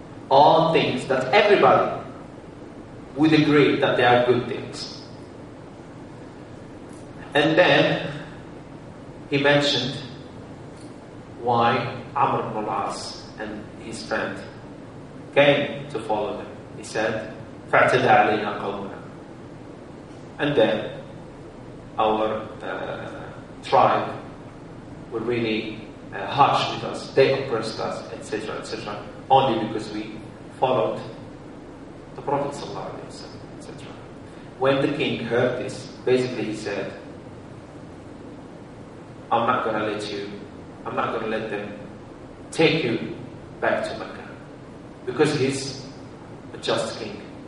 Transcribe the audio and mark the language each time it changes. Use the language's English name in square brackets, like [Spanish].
[English] All things that everybody would agree that they are good things. And then he mentioned why Amr ibn al-As and his friend came to follow them. [Arabic] He said, فَاعْتَدَى عَلَيْنَا قَوْمُنَا. [English] And then our tribe were really harsh with us. They oppressed us, etc., etc., only because we followed the Prophet ﷺ, etc. When the king heard this, basically he said, I'm not going to let them take you back to Mecca, because he's a just king.